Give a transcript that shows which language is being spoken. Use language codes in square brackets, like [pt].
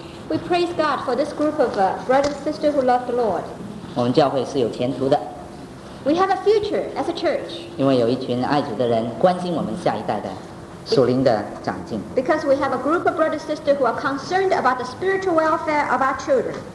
[en] We praise God for this group of brothers and sisters who love the Lord. [zh] 我们教会是有前途的。 [en] We have a future as a church. [zh] 因为有一群爱主的人关心我们下一代的属灵的长进。 [en] Because we have a group of brothers and sisters who are concerned about the spiritual welfare of our children.